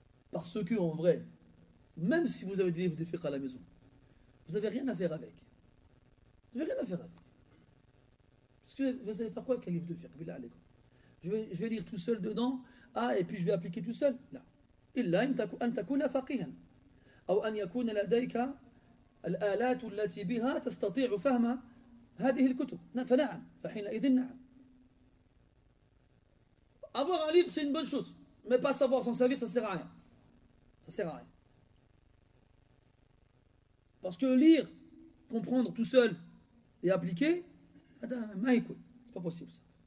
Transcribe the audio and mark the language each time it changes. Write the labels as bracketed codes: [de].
[fr] Parce que, en vrai, même si vous avez des livres de fiqh à la maison, vous n'avez rien à faire avec. Vous n'avez rien à faire avec. Parce que vous allez faire quoi avec un livre de fiqh? Je vais lire tout seul dedans, et puis je vais appliquer tout seul? Non. [ar] Illa an takuna faqihan. [fr] Ou [ar] an yakuna ladayka الآلات التي بها تستطيع فهم هذه الكتب. فنعم، فحينئذ نعم. [fr] Avoir un livre, c'est une bonne chose. Mais pas savoir s'en servir, ça ne sert à rien. Ça ne sert à rien. Parce que lire, comprendre tout seul et appliquer, c'est pas possible ça.